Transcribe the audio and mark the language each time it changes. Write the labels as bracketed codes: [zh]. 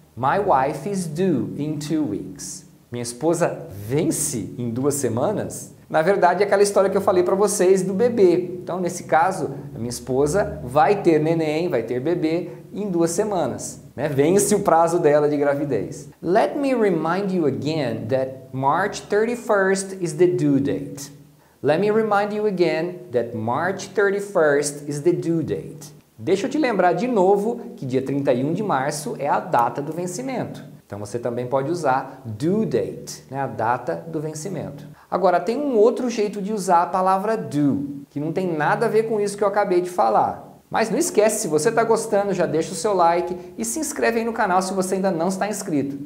[en] My wife is due in 2 weeks. [pt] Minha esposa vence em 2 semanas? Na verdade, é aquela história que eu falei para vocês do bebê. Então, nesse caso, a minha esposa vai ter neném, vai ter bebê em 2 semanas. Né? Vence o prazo dela de gravidez. [en] Let me remind you again that March 31st is the due date. Let me remind you again that March 31st is the due date. [pt] Deixa eu te lembrar de novo que dia 31 de março é a data do vencimento. Então você também pode usar due date, né? A data do vencimento. Agora, tem um outro jeito de usar a palavra due, que não tem nada a ver com isso que eu acabei de falar. Mas não esquece, se você está gostando, já deixa o seu like e se inscreve aí no canal se você ainda não está inscrito.